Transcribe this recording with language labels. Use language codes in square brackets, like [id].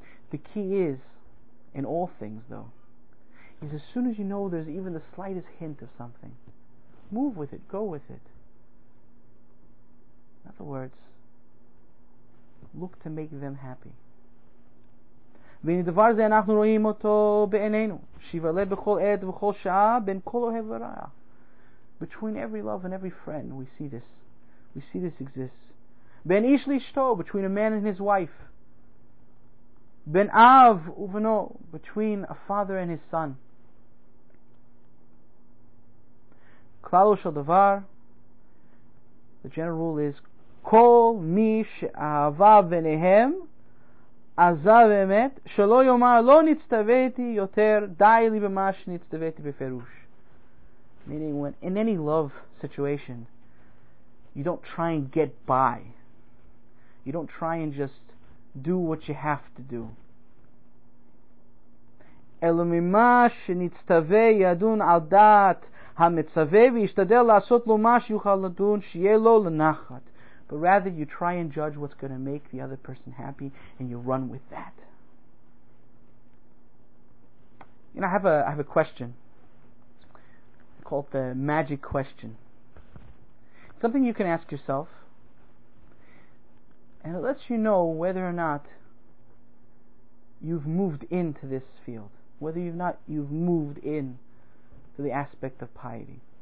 [en] The key is, in all things though, is as soon as you know there's even the slightest hint of something, move with it. Go with it. In other words, look to make them happy. [he] והדבר הזה אנחנו רואים אותו בעינינו. שיוולה בכל עת ובכל שעה בין כל אוהב ורע. [en] Between every love and every friend, we see this. We see this exists. [he] בין איש לאשתו, [en] between a man and his wife. [he] בין אב ובנו, [en] between a father and his son. [he] כללו של דבר, [en] the general rule is, [he] כל מי שאהבה ביניהם, עזב אמת, שלא יאמר, לא נצטוויתי יותר, די לי במה שנצטוויתי בפירוש. [en] Meaning, when in any love situation, you don't try and get by. You don't try and just do what you have to do. [he] אלו ממה שנצטווה ידון על דעת המצווה וישתדל לעשות לו מה שיוכל לדון שיהיה לו לנחת. [en] But rather, you try and judge what's going to make the other person happy, and you run with that. You know, I have a question. It's called the magic question. Something you can ask yourself, and it lets you know whether or not you've moved into this field, whether or not you've moved in to the aspect of piety.